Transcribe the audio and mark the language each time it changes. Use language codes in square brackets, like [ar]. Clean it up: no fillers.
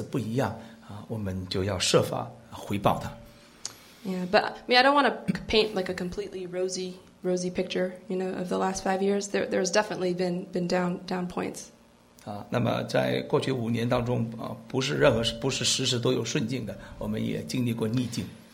[zh] 这就好像神在我们身上的投资一样，神给我们每人的恩赐不一样，我们就要设法回报他。 [en] Yeah, but I mean, I don't want to paint like a completely rosy picture, you know, of the last 5 years. There's definitely been down points. [zh] 那么在过去五年当中，不是时时都有顺境的，我们也经历过逆境。